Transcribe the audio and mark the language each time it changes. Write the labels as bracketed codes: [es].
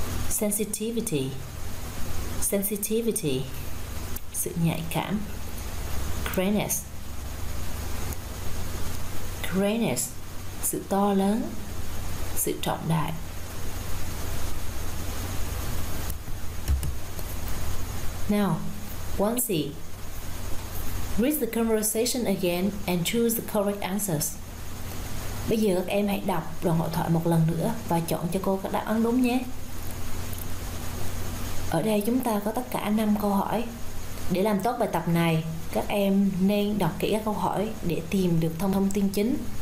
[vi] Sensitivity, sự nhạy cảm. Greatness, sự to lớn, sự trọng đại. [en] Now, once you read the conversation again and choose the correct answers. [vi] Bây giờ các em hãy đọc đoạn hội thoại một lần nữa và chọn cho cô các đáp án đúng nhé. Ở đây chúng ta có tất cả 5 câu hỏi. Để làm tốt bài tập này, các em nên đọc kỹ các câu hỏi để tìm được thông tin chính.